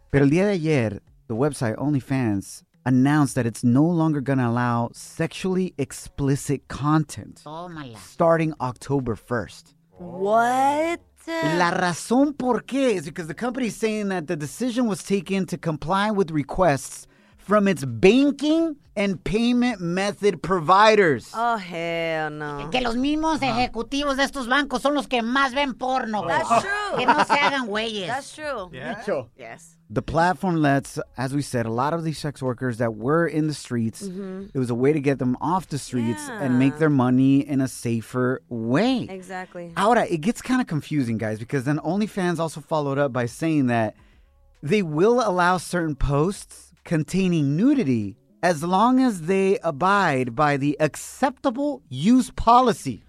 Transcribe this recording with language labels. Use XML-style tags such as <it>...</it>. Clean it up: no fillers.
<es>Pero el día de ayer,</es> <en>the website OnlyFans announced that it's no longer going to allow sexually explicit content starting October 1st. What?</en> <es>La razón por qué</es> <en>is because the company is saying that the decision was taken to comply with requests from its banking and payment method providers. Oh, hell no.</en> <es>Que los mismos ejecutivos de estos bancos son los que más ven porno.</es> <en>That's true.</en> <es>Que no se hagan güeyes.</es> <en>That's true. Yeah. Yes. The platform lets, as we said, a lot of these sex workers that were in the streets, mm-hmm. it was a way to get them off the streets yeah. and make their money in a safer way. Exactly.</en> <es>Ahora,</es> <en>it gets kind of confusing, guys, because then OnlyFans also followed up by saying that they will allow certain posts containing nudity as long as they abide by the acceptable use policy.</en>